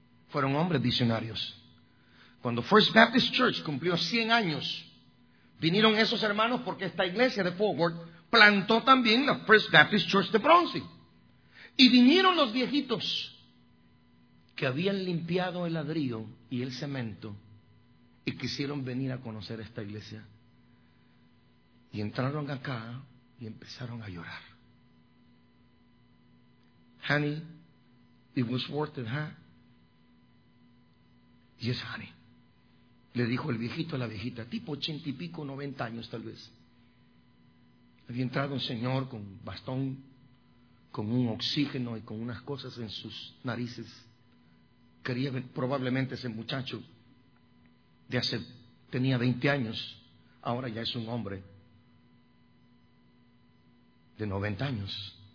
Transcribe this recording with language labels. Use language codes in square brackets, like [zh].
[es] Fueron hombres visionarios. Cuando First Baptist Church cumplió 100 años, vinieron esos hermanos porque esta iglesia de Fort Worth plantó también la First Baptist Church de Bronce. Y vinieron los viejitos que habían limpiado el ladrillo y el cemento y quisieron venir a conocer esta iglesia. Y entraron acá y empezaron a llorar. [en] Honey, it was worth it, huh? Yes, honey. [es] Le dijo el viejito a la viejita, tipo 80 y pico, 90 años tal vez. Había entrado un señor con bastón, con un oxígeno y con unas cosas en sus narices. Quería ver, probablemente ese muchacho de hace, tenía 20 años, ahora ya es un hombre de 90 años.